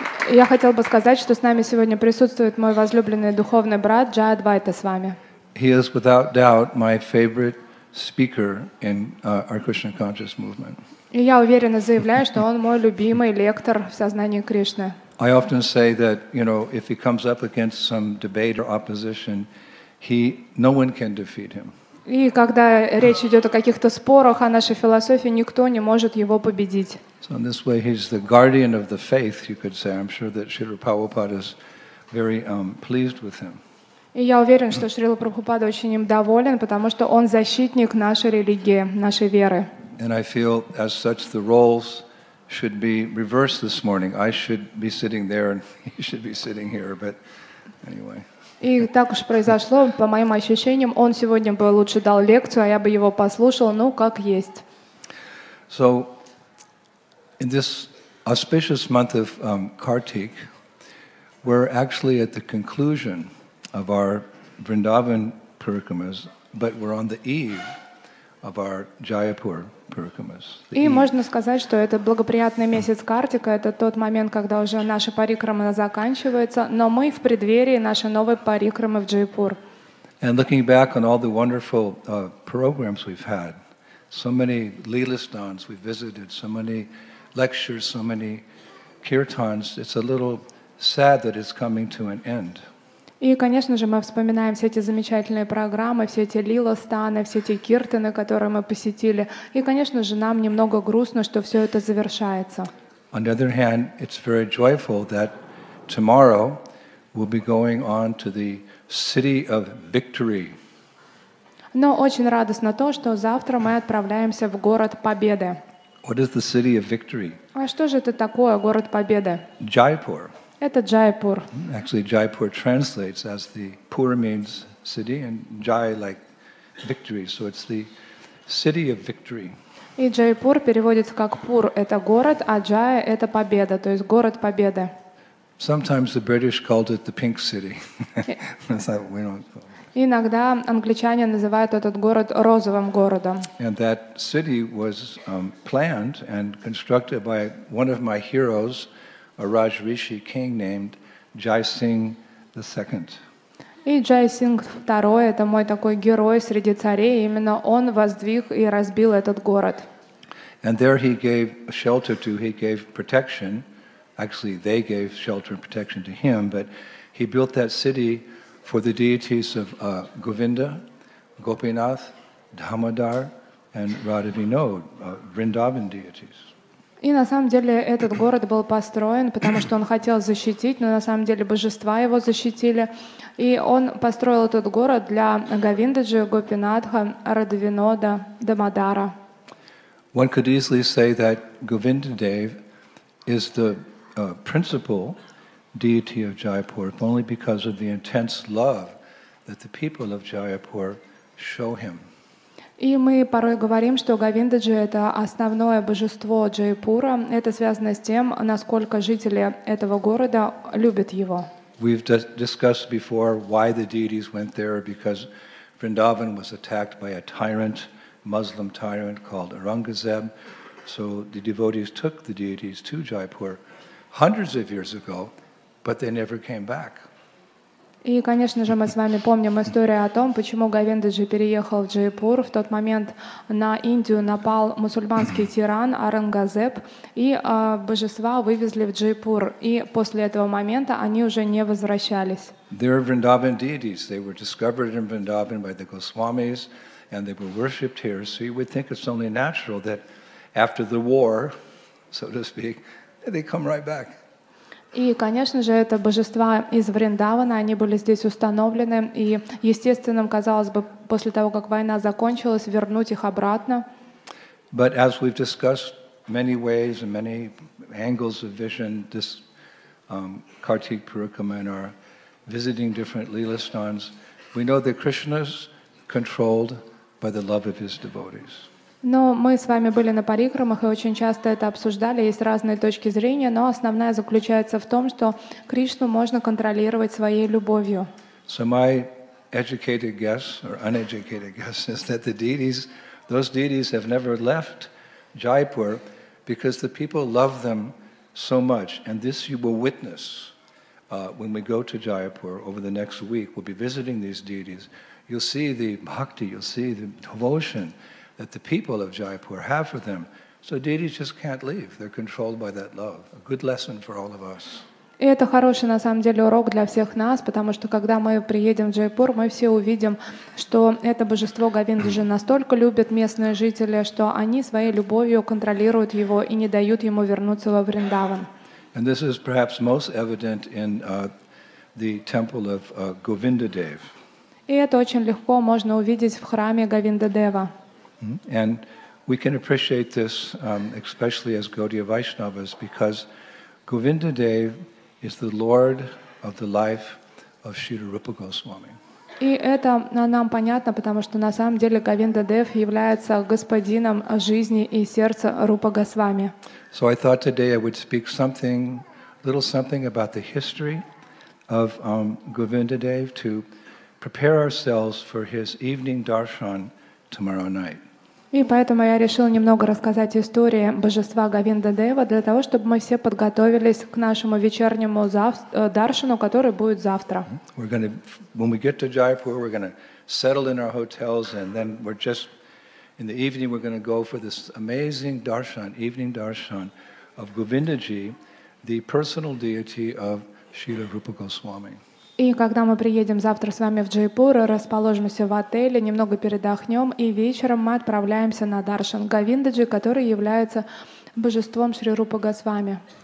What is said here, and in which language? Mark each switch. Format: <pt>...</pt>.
<ru>Я хотел бы сказать, что с нами сегодня присутствует мой возлюбленный духовный брат Джая Адвайта с вами.</ru> <en>He is without doubt my favorite speaker in our Krishna conscious movement.</en> <ru>И я уверенно заявляю, что он мой любимый лектор в сознании Кришны.</ru> <en>I often say that, you know, if he comes up against some debate or opposition, no one can defeat him.</en> <ru>И когда речь идет о каких-то спорах, о нашей философии, никто не может его победить.</ru> <en>So in this way, he's the guardian of the faith, you could say. I'm sure that Srila Prabhupada is very pleased with him.</en> <ru>И я уверен, что Шрила Прабхупада очень им доволен, потому что он защитник нашей религии, нашей веры.</ru> <en>And I feel as such the roles should be reversed this morning. I should be sitting there and he should be sitting here, but anyway...</en> <ru>И так уж произошло, по моим ощущениям, он сегодня бы лучше дал лекцию, а я бы его послушал, ну, как есть.</ru> <en>So, in this auspicious month of Kartik, we're actually at the conclusion of our Vrindavan Parikramas, but we're on the eve of our Jayapur Parikramas.</en> <ru>И можно сказать, что это благоприятный месяц Картика, это тот момент, когда уже наша парикрама заканчивается, но мы в преддверии нашей новой парикрамы в Джайпур.</ru> <en>And looking back on all the wonderful programs we've had, so many Leelastans we visited, so many lectures, so many kirtans, it's a little sad that it's coming to an end.</en> <ru>И, конечно же, мы вспоминаем все эти замечательные программы, все эти лила-станы, все эти киртаны, которые мы посетили. И, конечно же, нам немного грустно, что все это завершается.</ru> <en>On the other hand, it's very joyful that tomorrow we'll be going on to the city of victory.</en> <ru>Но очень радостно то, что завтра мы отправляемся в город Победы.</ru> <en>What is the city of victory?</en> <ru>А что же это такое, город Победы?</ru> <en>Jaipur.</en> <ru>Это Джайпур.</ru> <en>Actually, Jaipur translates as the Pur means city, and Jai like victory. So it's the city of victory.</en> <ru>И Джайпур переводится как Пур, это город, а Джай это победа, то есть город победы.</ru> <en>Sometimes the British called it the Pink City. That's how we don't call it.</en> <ru>Иногда англичане называют этот город розовым городом.</ru> <en>And that city was planned and constructed by one of my heroes. A Raj Rishi king named Jai Singh the Second.</en> <ru>И Джай Сингх II это мой такой герой среди царей, именно он воздвиг и разбил этот город.</ru> <en>And there he gave shelter to, he gave protection. Actually, they gave shelter and protection to him, but he built that city for the deities of Govinda, Gopinath, Dhamadhar, and Radha Vinod, Vrindavan deities.</en> <ru>И на самом деле этот город был построен, потому что он хотел защитить, но на самом деле божества его защитили. И он построил этот город для Говиндаджи, Гопинатха, Радвинода, Дамодара.</ru> <en>One could easily say that Govindadev is the principal deity of Jaipur, only because of the intense love that the people of Jaipur show him.</en> <ru>И мы порой говорим, что Говиндаджи — это основное божество Джайпура. Это связано с тем, насколько жители этого города любят его.</ru> <en>We've discussed before why the deities went there, because Vrindavan was attacked by a tyrant, Muslim tyrant called Aurangzeb. So the devotees took the deities to Jaipur hundreds of years ago, but they never came back.</en> <ru>И, конечно же, мы с вами помним историю о том, почему Говиндаджи переехал в Джайпур. В тот момент на Индию напал мусульманский тиран Аурангазеб, и божества вывезли в Джайпур. И после этого момента они уже не возвращались.</ru> <en>They were Vrindavan deities. They were discovered in Vrindavan by the Goswamis, and they were worshipped here. So you would think it's only natural that after the war, so to speak, they come right back.</en> <ru>И, конечно же, это божества из Вриндавана, они были здесь установлены, и естественным, казалось бы, после того, как война закончилась, вернуть их обратно.</ru> <en>But as we've discussed many ways and many angles of vision, this Kartik Purukama and our visiting different Lilasthans, we know that Krishna's controlled by the love of his devotees.</en> <ru>Но мы с вами были на парикрамах и очень часто это обсуждали. Есть разные точки зрения, но основная заключается в том, что Кришну можно контролировать своей любовью.</ru> <en>So my educated guess or uneducated guess is that the deities, those deities have never left Jaipur because the people love them so much. And this you will witness when we go to Jaipur over the next week. We'll be visiting these deities. You'll see the bhakti, you'll see the devotion that the people of Jaipur have for them. So deities just can't leave. They're controlled by that love. A good lesson for all of us.</en> <ru>И это хороший, на самом деле, урок для всех нас, потому что, когда мы приедем в Джайпур, мы все увидим, что это божество Говиндаджи настолько любит местные жители, что они своей любовью контролируют его и не дают ему вернуться во Вриндаван.</ru> <en>And this is perhaps most evident in the temple of Govindadev.</en> <ru>И это очень легко можно увидеть в храме Говиндадева.</ru> <en>And we can appreciate this, especially as Gaudiya Vaishnavas, because Govindadev is the Lord of the life of Śrīla Rūpa Gosvāmī.</en> <ru>И это нам понятно, потому что на самом деле Говиндадев является господином жизни и сердца Рупа Госвами.</ru> <en>So I thought today I would speak something, little something about the history of Govindadev to prepare ourselves for his evening darshan tomorrow night.</en> <ru>И поэтому я решила немного рассказать истории божества Говиндадева для того, чтобы мы все подготовились к нашему вечернему даршану, который будет завтра.</ru> <en>We're going to, when we get to Jaipur, we're going to settle in our hotels, and then we're just in the evening we're going to go for this amazing darshan, evening darshan of Govindaji, the personal deity of Śrīla Rūpa Gosvāmī.</en> <ru>И когда мы приедем завтра с вами в Джайпур, расположимся в отеле, немного передохнем, и вечером мы отправляемся на даршан Говиндаджи, который является божеством Шри Рупа Госвами.</ru>